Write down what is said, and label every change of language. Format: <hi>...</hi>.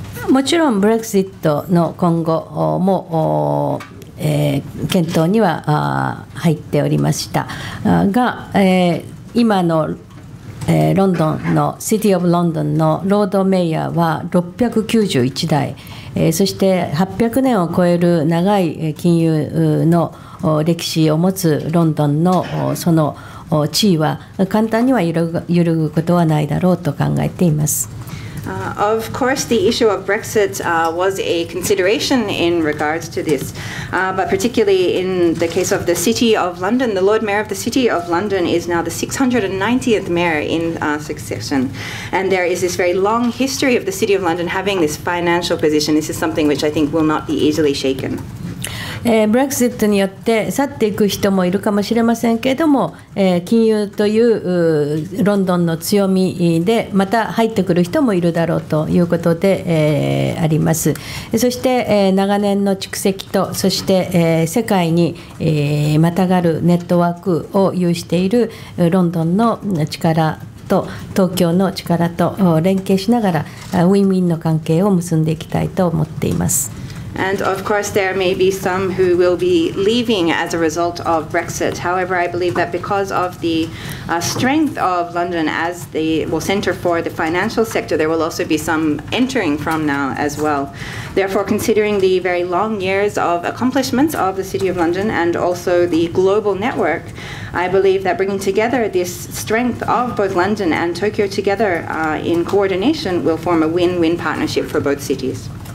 <ja>もちろんブレグジットの今後も、検討には入っておりましたが、今の、ロンドンのシティオブロンドンのロードメイヤーは691台、そして800年を超える長い金融の歴史を持つロンドンのその地位は簡単には揺るぐことはないだろうと考えています。</ja> <en>Of course, the issue of Brexit was a consideration in regards to this, but particularly in the case of the City of London, the Lord Mayor of the City of London is now the 690th Mayor in succession, and there is this very long history of the City of London having this financial position. This is something which I think will not be easily shaken.</en> <ja>ブレグジットによって去っていく人もいるかもしれませんけれども、金融というロンドンの強みでまた入ってくる人もいるだろうということで、あります。そして、長年の蓄積と、そして、世界に、またがるネットワークを有しているロンドンの力と東京の力と連携しながら、ウィンウィンの関係を結んでいきたいと思っています。</ja> <en>And of course, there may be some who will be leaving as a result of Brexit. However, I believe that because of the strength of London as the center for the financial sector, there will also be some entering from now as well. Therefore, considering the very long years of accomplishments of the City of London and also the global network, I believe that bringing together this strength of both London and Tokyo together in coordination will form a win-win partnership for both cities.</en>